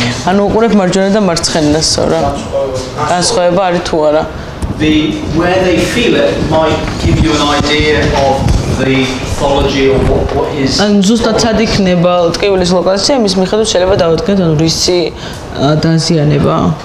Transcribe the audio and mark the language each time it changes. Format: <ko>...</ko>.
<ka>ანუ უყურებ მარჯვენა და მარცხენას, რა. განსხვავება არის თუ არა?</ka> <en>The where they feel it might give you an idea of the pathology or what is.</en> <ka>ან ზუსტად სად იქნება ტკივილის ლოკალიზაცია, მის მიხედვით შეიძლება დავადგინოთ ანუ რისი დაზიანება.</ka>